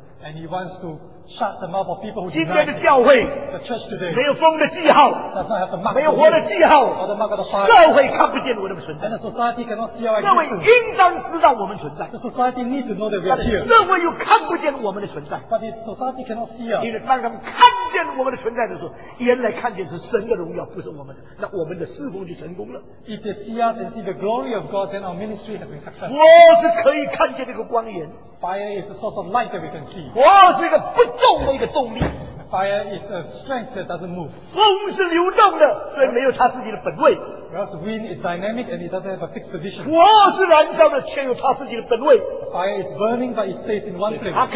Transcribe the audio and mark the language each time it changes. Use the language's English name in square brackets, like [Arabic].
[English] and he wants to shut the mouth of people who deny the church today. [Chinese] 没有风的记号, [English] does not have the mark, [Chinese] 没有火的记号, [English] or the mark of the fire. And the society cannot see our existence. The society needs to know that we are here. But the society cannot see us. [Chinese] 因为当他们看见我们的存在的时候，原来看见是神的荣耀，不是我们的，那我们的侍奉就成功了。 [English] If they see us and see the glory of God, then our ministry has been successful. [Chinese] 我是可以看见这个光源。 [English] Fire is the source of light that we can see. [Chinese] 我是一个不动的一个动力。 [English] Fire is a strength that doesn't move. [Chinese] 风是流动的，所以没有它自己的本位。 [English] Whereas wind is dynamic and it doesn't have a fixed position. [Chinese] 火是燃烧的，却有它自己的本位。 [English] Fire is burning but it stays in one place.